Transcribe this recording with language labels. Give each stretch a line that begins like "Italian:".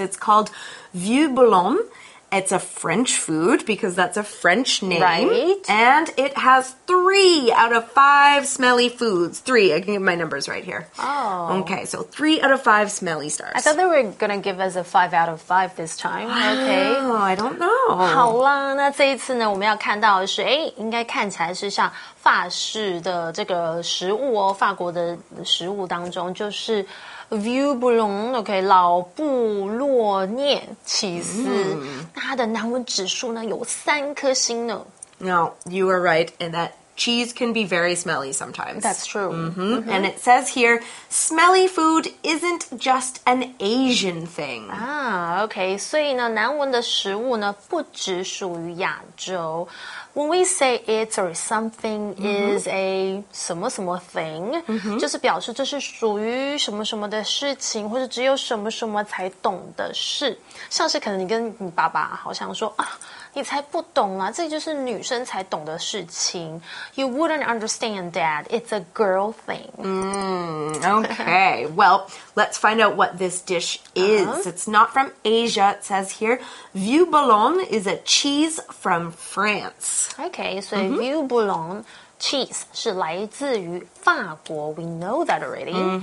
English: It's called Vieux Boulon. It's a French food because that's a French name. Right. And it has 3 out of 5 smelly foods. 3. I can give my numbers right here. Oh. Okay, so 3 out of 5 smelly stars. I thought they were going to give us a 5 out of 5 this time. Okay. Oh, I don't know.
Chinese: 好啦，那这一次呢，我们要看到的是，哎，应该看起来是像法式的这个食物哦，法国的食物当中就是。 Vieux Boulon, OK, 老布洛涅起司。它的难闻指数呢有3颗星呢。
English: No, you are right in that cheese can be very smelly sometimes. That's true. Mm-hmm. Mm-hmm. And it says here, smelly food isn't just an Asian thing. Ah, okay.
Chinese: 所以呢，难闻的食物呢，不只属于亚洲。
English: When we say it or something is a
Chinese: 什么什么 thing, 就是表示这是属于什么什么的事情或者只有什么什么才懂的事。像是可能你跟你爸爸好像说啊你才不懂啦这就是女生才懂的事情。
English: You wouldn't understand that. It's a girl thing. Okay. Well, let's find out what this dish is. It's not from Asia. It says here, Vieux Boulon is a cheese from France. Okay, so Vieux Boulon cheese
Chinese: 是来自于法国
English: We know that already.